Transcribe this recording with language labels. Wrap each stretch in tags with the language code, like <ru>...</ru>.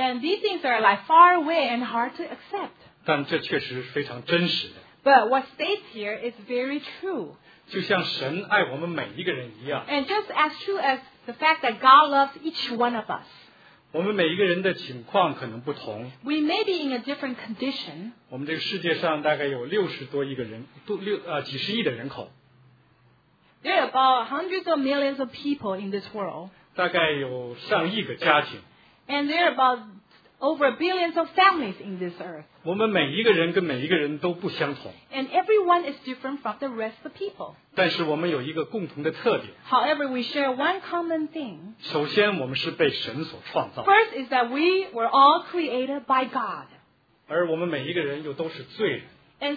<en>And these things are like far away and hard to accept.</en> <zh>但这确实非常真实的。</zh> <en>But what states here is very true.</en> <zh>就像神爱我们每一个人一样。</zh> <en>And just as true as the fact that God loves each one of us.</en> <zh>我们每一个人的情况可能不同。</zh> <en>We may be in a different condition.</en> <zh>我们这个世界上大概有六十多亿的人口。</zh> <en>There are about hundreds of millions of people in this world.</en> <zh>大概有上亿个家庭。</zh> <en>And there are about over billions of families in this earth.</en> <zh>我们每一个人跟每一个人都不相同。</zh> <en>And everyone is different from the rest of the people.</en> <zh>但是我们有一个共同的特点。</zh> <en>However, we share one common thing.</en> <zh>首先，我们是被神所创造。</zh> <en>First is that we were all created by God.</en> <zh>而我们每一个人又都是罪人。</zh> <en>And</en>